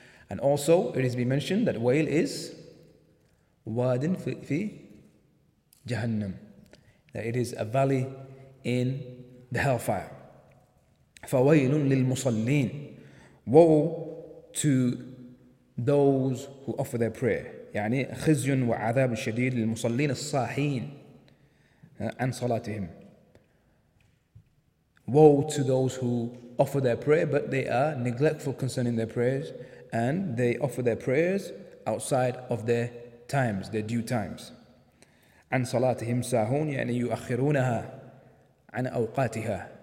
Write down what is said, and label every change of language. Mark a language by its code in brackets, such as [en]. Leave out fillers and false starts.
[en] And also it has been mentioned that wail is [ar] wadin fi jahannam, [en] that it is a valley in the hellfire. [ar] Fawailun lil musallin, [en] woe to those who offer their prayer. [ar] يعني خزي وعذاب شديد للمصلين الصاحين عن صلاتهم. [en] Woe to those who offer their prayer but they are neglectful concerning their prayers, and they offer their prayers outside of their times, their due times. [ar] عن صلاتهم ساهون يعني يؤخرونها عن أوقاتها.